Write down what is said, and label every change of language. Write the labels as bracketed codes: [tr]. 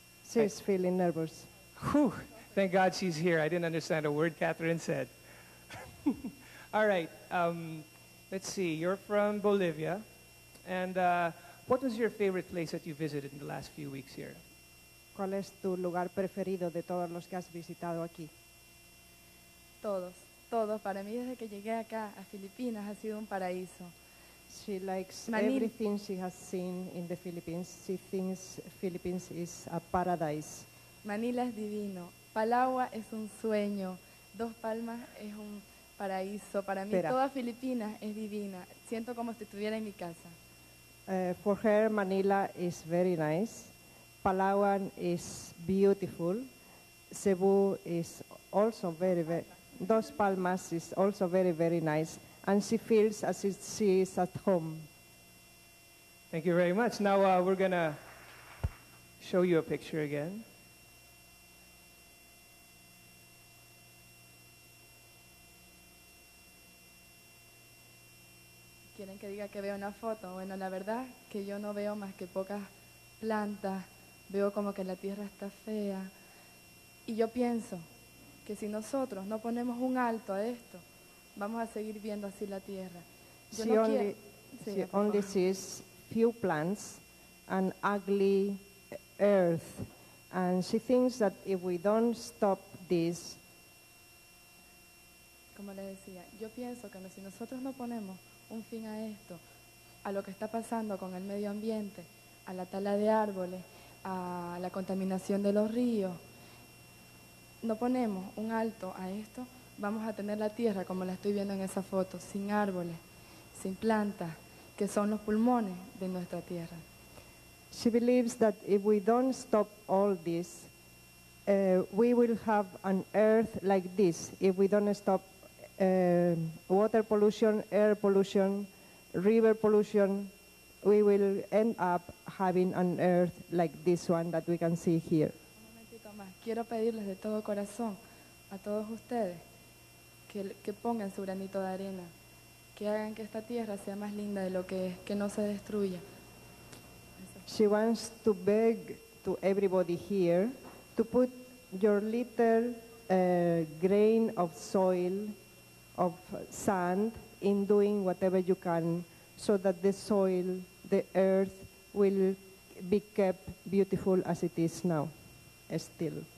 [en] She's feeling nervous. Whew. Thank God she's here. I didn't understand a word Catherine said. All right. Let's see. You're from Bolivia. And what was your favorite place that you visited in the last few weeks here? [es] ¿Cuál es tu lugar preferido de todos los que has visitado aquí? Todos. Todos. Para mí, desde que llegué acá a Filipinas, ha sido un paraíso. [en] She likes everything she has seen in the Philippines. She thinks Philippines is a paradise. [es] Manila es divino. Palawa es un sueño. Dos Palmas es un paraíso. Para mí, toda Filipinas es divina. Siento como si estuviera en mi casa. [en] For her, Manila is very nice. Palawan is beautiful. Cebu is also very, very... Dos Palmas is also very, very nice, and she feels as if she is at home. Thank you very much. Now we're going to show you a picture again. [es] ¿Quieren que diga que veo una foto? Bueno, la verdad que yo no veo más que pocas plantas. Veo como que la tierra está fea. Y yo pienso que si nosotros no ponemos un alto a esto, vamos a seguir viendo así la tierra. [en] She only sees few plants and ugly earth, and she thinks that if we don't stop this, [es] como le decía, yo pienso que si nosotros no ponemos un fin a esto, a lo que está pasando con el medio ambiente, a la tala de árboles, a la contaminación de los ríos. No ponemos un alto a esto, vamos a tener la tierra como la estoy viendo en esa foto, sin árboles, sin plantas, que son los pulmones de nuestra tierra. [en] She believes that if we don't stop all this, we will have an earth like this. If we don't stop water pollution, air pollution, river pollution, we will end up having an earth like this one that we can see here. [es] Un momentito más. Quiero pedirles de todo corazón a todos ustedes que pongan su granito de arena, que hagan que esta tierra sea más linda de lo que es, que no se destruya. [en] She wants to beg to everybody here to put your little grain of soil, of sand, in doing whatever you can so that the soil, the earth, will be kept beautiful as it is now, still.